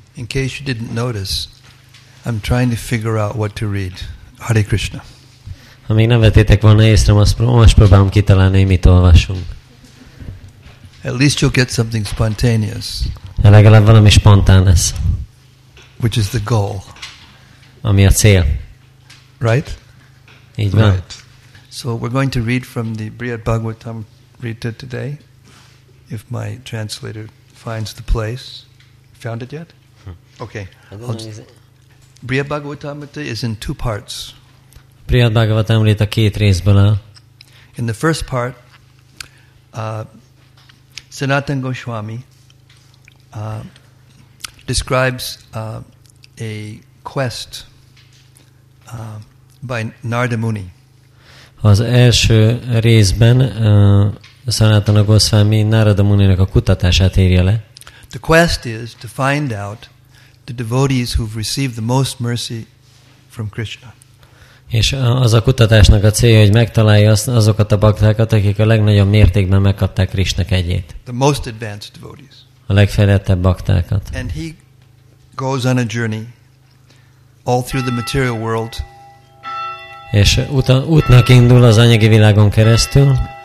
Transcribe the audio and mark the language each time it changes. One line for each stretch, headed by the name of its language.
English: In case you didn't notice, I'm trying to figure out what to read. Hare Krishna.
Hungarian: Ha még nem vettétek volna észre, most próbálom kitalálni, mit olvasunk.
English: At least you'll get something spontaneous.
Hungarian: De legalább valami spontán lesz.
English: Which is the goal.
Hungarian: Ami a cél.
English: Right?
Hungarian: Így van.
English: Right. So we're going to read from the Brihad Bhagavatam Rita today, if my translator finds the place. Found it yet? Okay. Brihad Bhagavatam Rita is in two parts.
Hungarian: Brihad Bhagavatam Rita két részből áll.
English: In the first part, Sanatan Goswami describes a quest by Narada Muni.
Hungarian: Az első részben Sanatana Goswami Narada Muninak a kutatását írja le.
English: The quest is to find out the devotees who've received the most mercy from Krishna.
Hungarian: És az a kutatásnak a célja, hogy megtalálja azokat a baktákat, akik a legnagyobb mértékben megkapták Krishna kegyét.
English: The most advanced devotees.
Hungarian: A legfejlettebb baktákat.
English: And he goes on a journey all through the material world.
Hungarian: És útnak indul az anyagi világon keresztül.